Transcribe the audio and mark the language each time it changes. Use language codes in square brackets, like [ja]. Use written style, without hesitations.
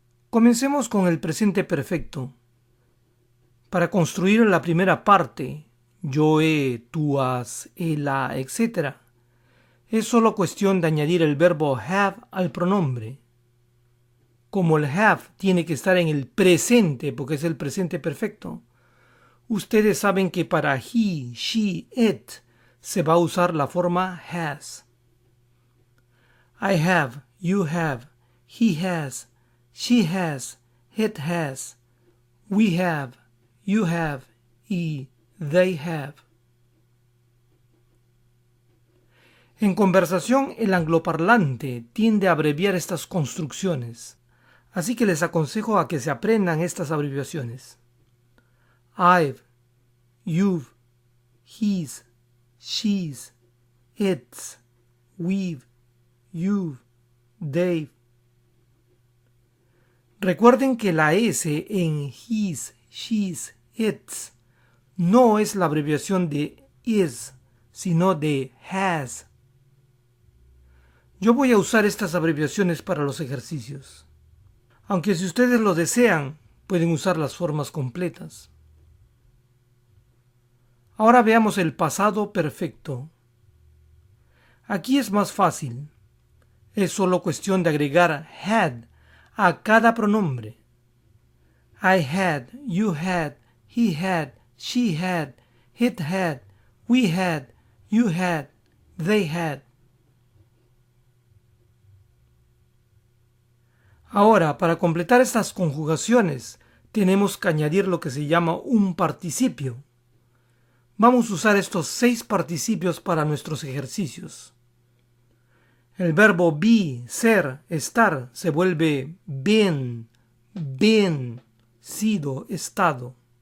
[es] Comencemos con el presente perfecto. Para construir la primera parte, yo he, tú has, él ha, etc., es solo cuestión de añadir el verbo have al pronombre. Como el have tiene que estar en el presente, porque es el presente perfecto, ustedes saben que para he, she, it, se va a usar la forma has. [en] I have, you have, he has, she has, it has, we have, you have, y they have. [es] En conversación, el angloparlante tiende a abreviar estas construcciones, así que les aconsejo a que se aprendan estas abreviaciones. [en] I've, you've, he's, she's, it's, we've, you've, they've. [es] Recuerden que la S en he's, she's, it's no es la abreviación de is, sino de has. Yo voy a usar estas abreviaciones para los ejercicios. Aunque si ustedes lo desean, pueden usar las formas completas. Ahora veamos el pasado perfecto. Aquí es más fácil. Es solo cuestión de agregar had a cada pronombre. [en] I had, you had, he had, she had, it had, we had, you had, they had. [es] Ahora, para completar estas conjugaciones, tenemos que añadir lo que se llama un participio. Vamos a usar estos 6 participios para nuestros ejercicios. El verbo be, ser, estar, se vuelve been, been, sido, estado.